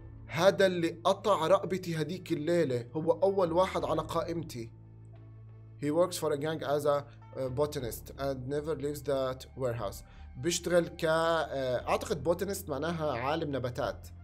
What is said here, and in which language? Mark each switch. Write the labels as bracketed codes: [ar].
[ar] هذا اللي قطع رقبتي هديك الليلة. هو أول واحد على قائمتي. [en] He works for a gang as a botanist and never leaves that warehouse. [ar] بيشتغل ك أعتقد botanist معناها عالم نباتات.